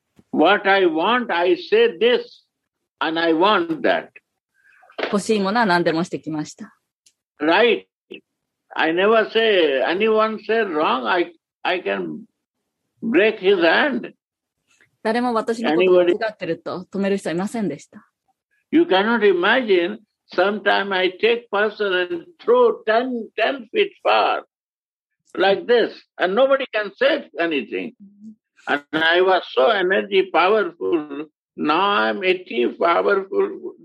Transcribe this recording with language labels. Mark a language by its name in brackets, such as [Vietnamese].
[English] What I want, I say this, and I want that. [Japanese] 欲しいものは何でもしてきました。 [English] Right. I never say anyone say wrong. I can break his hand. [Japanese] 誰も私のことを間違ってると止める人はいませんでした。 [English] You cannot imagine, sometimes I take person and throw 10 feet far, like this, and nobody can say anything. And I was so energy powerful. Now I'm 80 powerful.